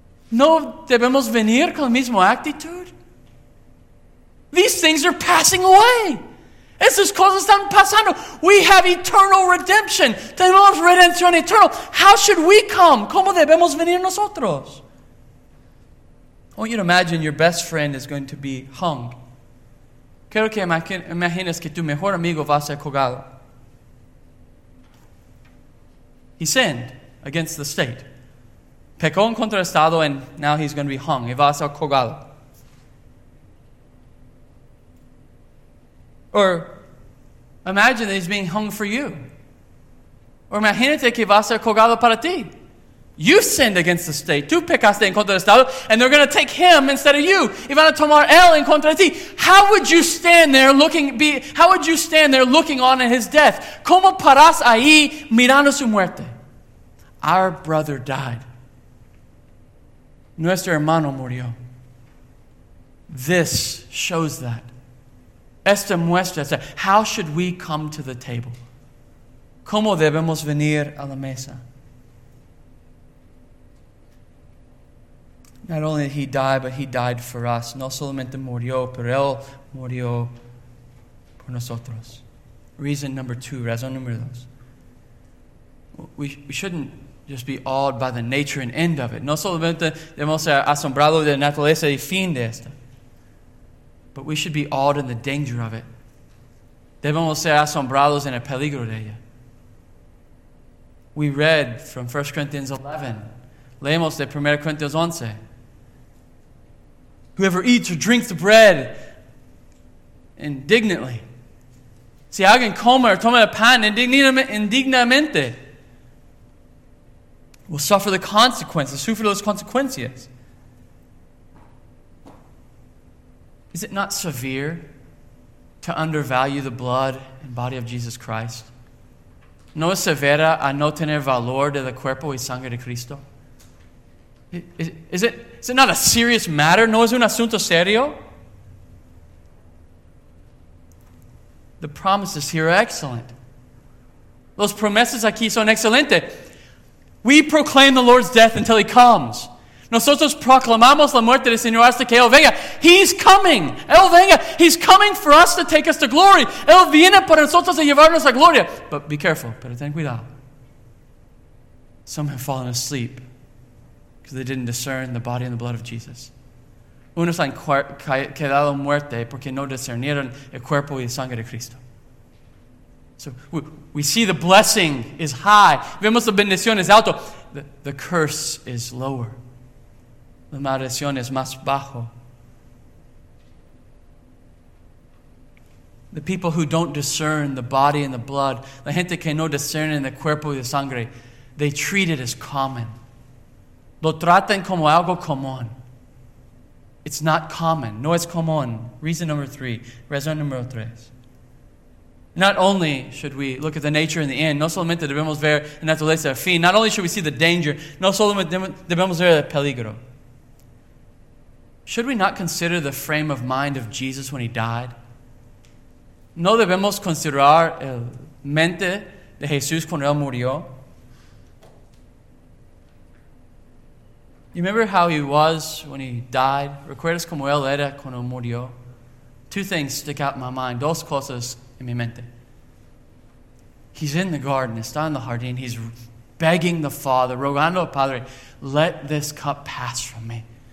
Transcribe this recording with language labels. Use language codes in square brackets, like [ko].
[es] ¿No debemos venir con la misma actitud? [en] These things are passing away. [es] Esas cosas están pasando. [en] We have eternal redemption. [es] Tenemos redención eternal. [en] How should we come? [es] ¿Cómo debemos venir nosotros? [en] I want you to imagine your best friend is going to be hung. [es] Quiero que imagines que tu mejor amigo va a ser colgado. [en] He sinned. against the state. [es] Pecó en contra del Estado, [en] and now he's going to be hung. [es] Y va a ser colgado. [en] Or imagine that he's being hung for you. [es] Or imagínate que va a ser colgado para ti. [en] You sinned against the state. [es] Tú pecaste en contra del Estado, [en] and they're going to take him instead of you. [es] Y van a tomar él en contra de ti. [en] How would you stand there looking? How would you stand there looking on at his death? [es] ¿Cómo paras ahí mirando su muerte? [en] Our brother died. [es] Nuestro hermano murió. [en] This shows that. [es] Esta muestra. [en] How should we come to the table? [es] ¿Cómo debemos venir a la mesa? [en] Not only did he die, but he died for us. [es] No solamente murió, pero él murió por nosotros. [en] Reason number two, [es] razón número dos. [en] We shouldn't just be awed by the nature and end of it. [es] No solamente debemos ser asombrados de la naturaleza y fin de esta. [en] But we should be awed in the danger of it. [es] Debemos ser asombrados en el peligro de ella. [en] We read from 1 Corinthians 11. [es] Leemos de 1 Corinthians 11. [en] Whoever eats or drinks the bread indignantly. [es] Si alguien come o toma el pan indignamente, [en] will suffer the consequences. [es] Sufre las consecuencias. [en] Is it not severe to undervalue the blood and body of Jesus Christ? [es] No es severa a no tener valor de la cuerpo y sangre de Cristo? [en] Is it not a serious matter? [es] No es un asunto serio? [en] The promises here are excellent. [es] Los promesas aquí son excelentes. [en] We proclaim the Lord's death until he comes. [es] Nosotros proclamamos la muerte del Señor hasta que Él venga. [en] He's coming. [es] Él venga. [en] He's coming for us to take us to glory. [es] Él viene para nosotros a llevarnos a gloria. [en] But be careful. [es] Pero ten cuidado. [en] Some have fallen asleep because they didn't discern the body and the blood of Jesus. [es] Unos han quedado muerte porque no discernieron el cuerpo y la sangre de Cristo. [en] So we see the blessing is high. [es] Vemos la bendición es alto. [en] The curse is lower. [es] La maldición es más bajo. [en] The people who don't discern the body and the blood, [es] la gente que no discerne el cuerpo y la sangre, [en] they treat it as common. [es] Lo tratan como algo común. [en] It's not common. [es] No es común. [en] Reason number three. [es] Razón número tres. [en] Not only should we look at the nature and the end, [es] no solamente debemos ver la naturaleza y el fin, [en] not only should we see the danger, [es] no solamente debemos ver el peligro. [en] Should we not consider the frame of mind of Jesus when he died? [es] No debemos considerar el mente de Jesús cuando él murió. [en] You remember how he was when he died? [es] ¿Recuerdas cómo él era cuando murió? [en] Two things stick out in my mind, [es] dos cosas en mi mente. [en] He's in the garden, [es] está en el jardín, [en] he's begging the Father, [es] rogando al Padre, [en] let this cup pass from me.